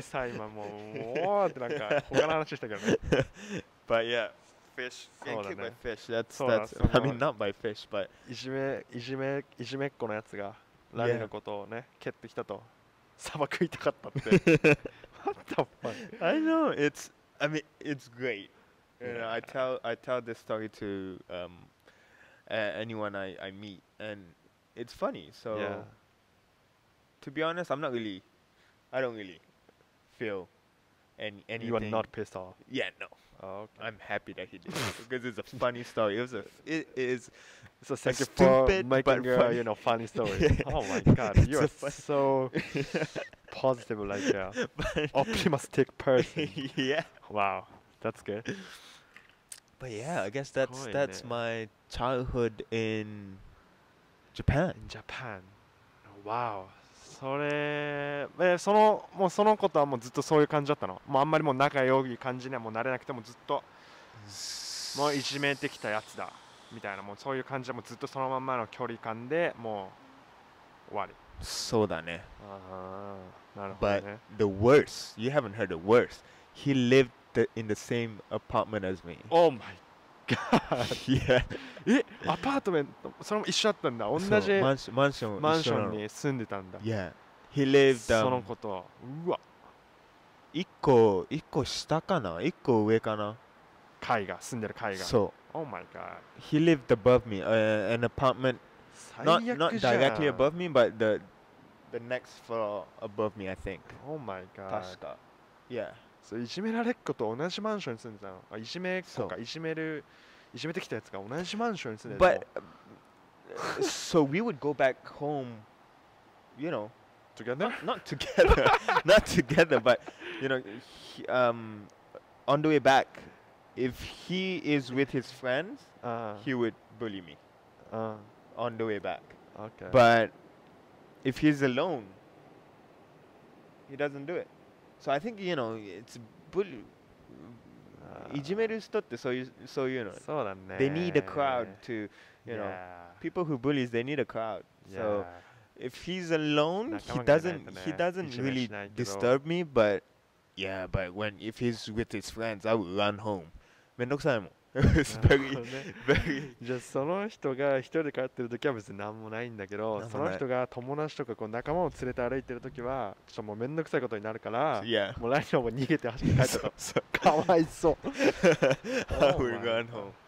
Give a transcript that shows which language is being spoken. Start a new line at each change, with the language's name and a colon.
Japanese: すごいさ、今もう、おーってなんか、他の話したけどね。
English: But yeah, fish, getting kicked by fish. That's, I mean, not by fish, but...
Japanese: いじめっ子のやつが、ラリーのことをね、蹴ってきたと、砂漠食いたかったって。
English: What the fuck? I know, it's great. You know, I tell this story to anyone I meet, and it's funny. So,、 yeah. to be honest, I don't really feel anything. You are not pissed off. Yeah, no. Oh, okay. I'm happy that he did because it's a funny story. It was a it is a thank you for making a you know funny story. Oh my god, you are so positive, like a optimistic person. Yeah. Wow, that's good. But yeah, I guess that's my childhood in Japan. In Japan. Wow.
Japanese: それ、その、もうそのことはもうずっとそういう感じだったの。もうあんまりもう仲良い感じにはもう慣れなくてもずっと、もういじめてきたやつだ。みたいな、もうそういう感じでもうずっとそのまんまの距離感でもう終わり。そうだね。なるほどね。
English: But the worst, you haven't heard the worst. He lived... in the same apartment as me. Oh my god! Yeah. apartment?
Japanese: それも一緒だったんだ。同じマンション、マンションに住んでたんだ。
English: Yeah. He lived.
Japanese: そのこと。うわ。一個下かな？一個上かな？階が住んでる階が。そう。
English: Oh my god. He lived above me, an apartment.
Japanese: 最悪じゃん。
English: Not directly above me, but the next floor above me, I think. Oh my god.
Japanese: 確か。
English: Yeah.
Japanese: いじめられっ子と同じマンションに住んでたの。あ、いじめっ子か、いじめてきたやつが同じマンションに住んでたの。
English: But, so we would go back home, you know, together? Not together, but, you know, on the way back, if he is with his friends,、he would bully me、on the way back. Okay. But if he's alone, he doesn't do it. So I think, you know, it's bully.
Japanese: いじめる人ってそういうの。そうだね。
English: They need a crowd to, you know,、 yeah. people who bullies, they need a crowd.、 Yeah. So if he's alone, he doesn't really disturb me, but yeah, but when, if he's with his friends, I would run home.
Japanese: めんどくさいもん。
English: It's very, very.
Japanese: じゃあその人が一人で帰ってるときは別に何もないんだけど、その人が友達とかこう仲間を連れて歩いてるときはちょっともうめんどくさいことになるから、
English: yeah.
Japanese: もうライノも逃げて走って帰ったと。そう、かわいそう。
English: I would run home.